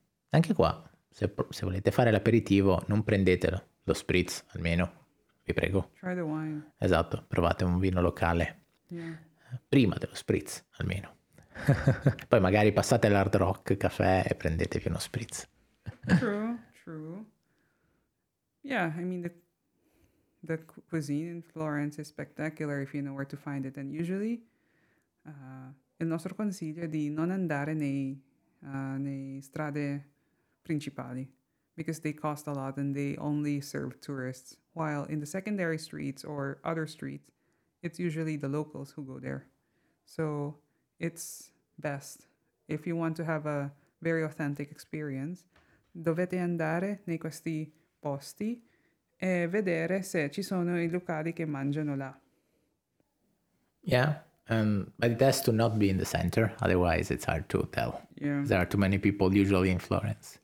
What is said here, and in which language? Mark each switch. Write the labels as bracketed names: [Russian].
[Italian] Anche qua, se volete fare l'aperitivo, non prendetelo, lo spritz almeno, vi prego. [English] Try the wine. [Italian] Esatto, provate un vino locale, prima dello spritz almeno. Poi magari passate all'Hard Rock Caffè e prendetevi uno spritz. [English] True, true. Yeah, I mean the cuisine in Florence is spectacular if you know where to find it. And usually [Italian] il nostro consiglio è di non andare nei strade principali, [English] because they cost a lot and they only serve tourists. While in the secondary streets or other streets, it's usually the locals who go there. So it's best if you want to have a very authentic experience. [Italian] Dovete andare nei questi posti e vedere se ci sono i locali che mangiano là. [English] Yeah. But it has to not be in the center, otherwise it's hard to tell. Yeah. There are too many people usually in Florence.